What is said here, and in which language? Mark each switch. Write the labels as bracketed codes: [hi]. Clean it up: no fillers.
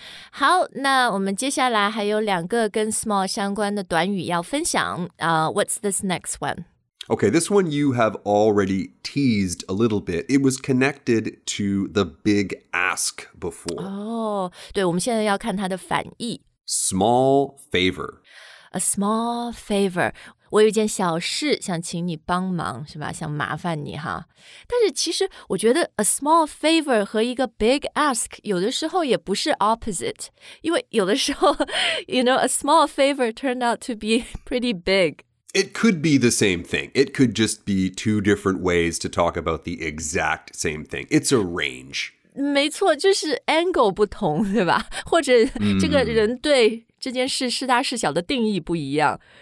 [zh] 好,那我们接下来还有两个跟 small 相关的短语要分享。 [en] What's this next one? Okay, this one you have already teased a little bit. It was connected to the big ask before. [zh] Oh, 对,我们现在要看它的反义。 [en] Small favor. A small favor. [zh] 我有一件小事想请你帮忙是吧想麻烦你哈。但是其实我觉得 [en] a small favor 和一个 big ask [zh] 有的时候也不是 opposite. 因为有的时候 [en] you know, a small favor turned out to be pretty big. It could be the same thing. It could just be two different ways to talk about the exact same thing. It's a range. [zh] 没错就是 angle 不同对吧或者这个人对这件事是大是小的定义不一样。